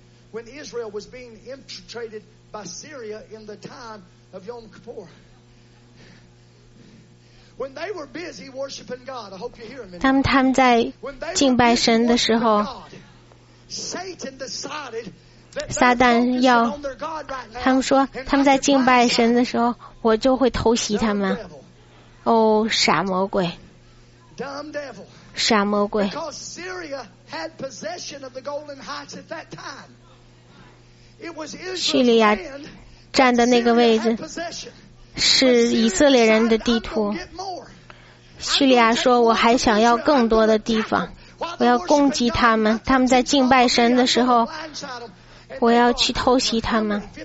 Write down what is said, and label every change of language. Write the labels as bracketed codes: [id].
[en] When Israel was being infiltrated by Syria in the time of Yom Kippur. When they were busy worshiping God, I hope you hear me. [zh] 他们在敬拜神的时候，撒旦要，他们说他们在敬拜神的时候，我就会偷袭他们。哦，傻魔鬼。 [en] Dumb devil. [zh] 傻魔鬼。 [en] Because Syria had possession of the Golan Heights at that time. [zh] 叙利亚站的那个位置是以色列人的地图，叙利亚说我还想要更多的地方，我要攻击他们，他们在敬拜神的时候我要去偷袭他们。